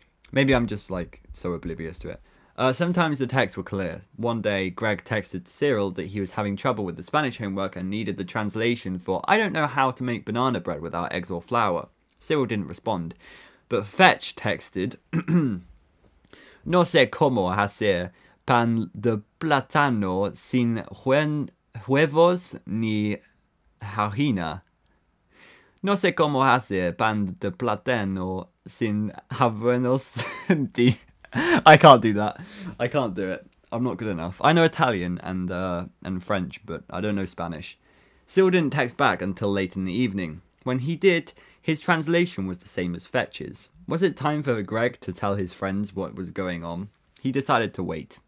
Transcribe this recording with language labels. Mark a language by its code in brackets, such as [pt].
[en] Maybe I'm just, like, so oblivious to it. Sometimes the texts were clear. One day, Greg texted Cyril that he was having trouble with the Spanish homework and needed the translation for I don't know how to make banana bread without eggs or flour. Cyril didn't respond, but Fetch texted [es] No sé cómo hacer pan de plátano sin huevos ni harina. No sé cómo hacer pan de plátano sin avenos. [en] I can't do that. I can't do it. I'm not good enough. I know Italian and French, but I don't know Spanish. Cyril didn't text back until late in the evening. When he did, his translation was the same as Fetch's. Was it time for Greg to tell his friends what was going on? He decided to wait.